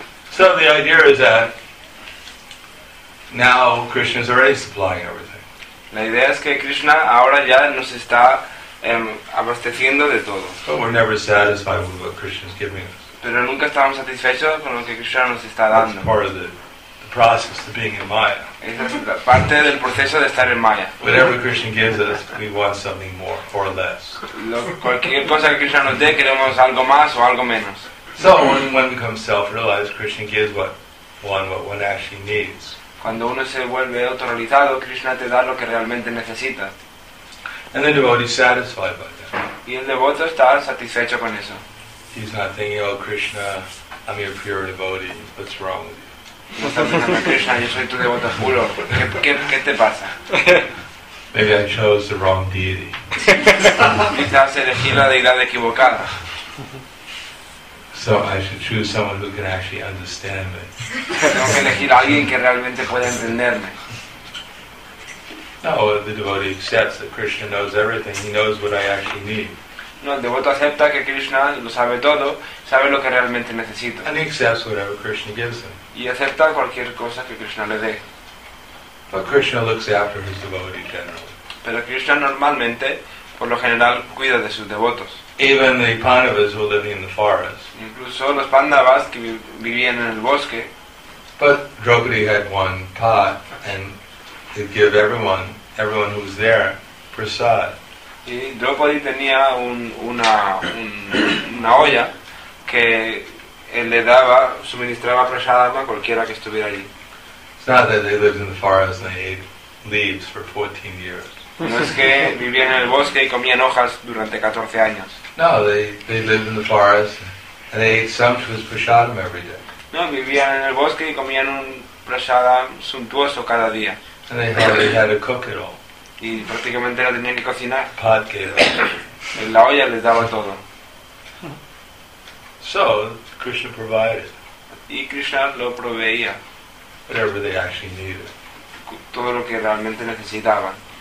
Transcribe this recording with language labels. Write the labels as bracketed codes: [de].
[en] So the idea is that now Krishna is already supplying everything. [es] La idea es que Krishna ahora ya nos está abasteciendo de todo. [en] But we're never satisfied with what Krishna is giving us. [es] Pero nunca estamos satisfechos con lo que Krishna nos está dando. [en] That's part of the process of being in Maya. [es] Es parte del proceso de estar en Maya. [en] Whatever Krishna gives us, we want something more or less. [es] Cualquier cosa que Krishna nos dé, queremos algo más o algo menos. [en] So when one becomes self-realized, Krishna gives what one actually needs. [es] Cuando uno se vuelve autorrealizado, Krishna te da lo que realmente necesita. [en] And the devotee is satisfied by that. [es] Y el devoto está satisfecho con eso. [en] He's not thinking, oh Krishna, I'm your pure devotee, what's wrong with you? [es] No está pensando, Krishna, yo soy tu devoto puro, ¿qué te pasa? [en] Maybe I chose the wrong deity. [es] Quizás elegí la deidad equivocada. [en] So I should choose someone who can actually understand me. [es] Tengo que elegir a alguien que realmente pueda entenderme. [en] No, the devotee accepts that Krishna knows everything. He knows what I actually need. [es] No, el devoto acepta que Krishna lo sabe todo, sabe lo que realmente necesito. [en] And he accepts whatever Krishna gives him. [es] Y acepta cualquier cosa que Krishna le dé. [en] But Krishna looks after his devotee generally. [es] Pero Krishna normalmente, por lo general, cuida de sus devotos. [en] Even the Pandavas were living in the forest. [es] Incluso los Pandavas que vivían en el bosque. [en] But Draupadi had one pot and he'd give everyone who was there, prasad. [es] Y Draupadi tenía una olla que él le daba, suministraba prasad a cualquiera que estuviera allí. [en] It's not that they lived in the forest and they ate leaves for 14 years. [es] No es que vivían en el bosque y comían hojas durante 14 años. [en] No, they lived in the forest and they ate sumptuous prasadam every day. [es] No, vivían en el bosque y comían un prasadam suntuoso cada día. [en] And they hardly had to cook it all. [es] Y prácticamente no tenían que cocinar. [en] Pot gave [es] it. En la olla les daba todo. [en] So, Krishna provided. [es] Y Krishna lo proveía. [en] Whatever they actually needed. [es] Todo lo que realmente necesitaban.